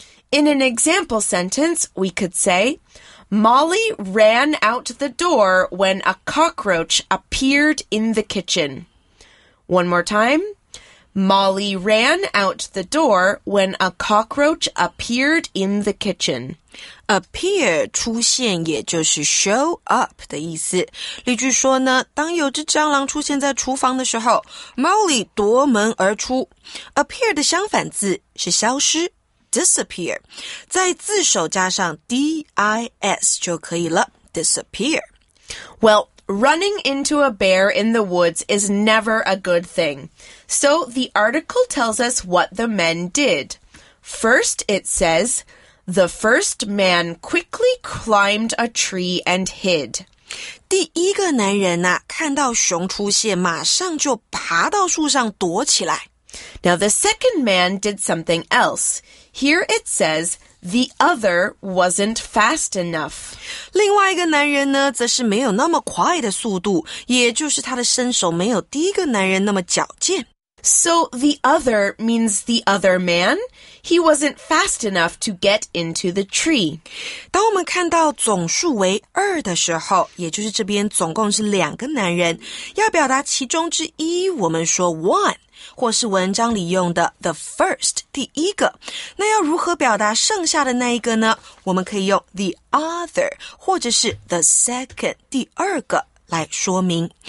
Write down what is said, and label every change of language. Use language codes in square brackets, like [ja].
[en] In an example sentence, we could say, Molly ran out the door when a cockroach appeared in the kitchen. One more time. Molly ran out the door when a cockroach appeared in the kitchen. [zh] Appear, 出现也就是 show up 的意思。例句说呢，当有只蟑螂出现在厨房的时候， Molly 夺门而出。 Appear 的相反字是消失， disappear。在字首加上 D-I-S 就可以了， disappear。 [en] Well,Running into a bear in the woods is never a good thing. So the article tells us what the men did. First, it says, the first man quickly climbed a tree and hid. [zh] 第一个男人啊，看到熊出现，马上就爬到树上躲起来。 [en] Now the second man did something else. Here it says,The other wasn't fast enough. [zh] 另外一个男人呢，则是没有那么快的速度，也就是他的身手没有第一个男人那么矫健。 [en] So the other means the other man. He wasn't fast enough to get into the tree. [zh] 当我们看到总数为二的时候，也就是这边总共是两个男人，要表达其中之一，我们说 one. 或是文章里用的 the first, 第一个。那要如何表达剩下的那一个呢？我们可以用 the other, 或者是 the second, 第二个来说明。